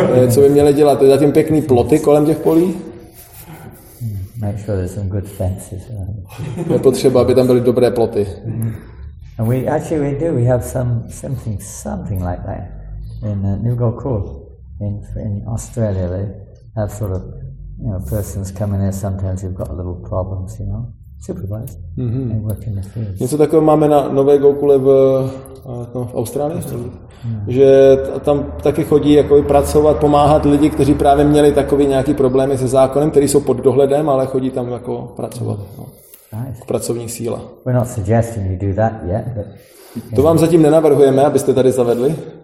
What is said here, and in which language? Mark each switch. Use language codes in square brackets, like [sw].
[cs] Co by měli dělat? To je zatím pěkný ploty kolem těch polí? [en] Make sure there's some good fences. [cs] Je potřeba, aby tam byly dobré ploty. [en] And we actually we do. We have something like that in New Gokul, in Australia. They have sort of, you know, persons come in there. Sometimes you've got a little problems, you know. Supervised. Mm-hmm. They work in the fields. [cs] Něco takového máme na Nové Gokule v Austrálii, že tam taky chodí jakoby pracovat, pomáhat lidi, kteří právě měli takový nějaký problémy se zákonem, který jsou pod dohledem, ale chodí tam jako pracovat. [en] Nice. [cs] Pracovní síla. [en] We're not suggesting you do that yet, but [cs] to vám zatím nenavrhujeme, abyste tady zavedli.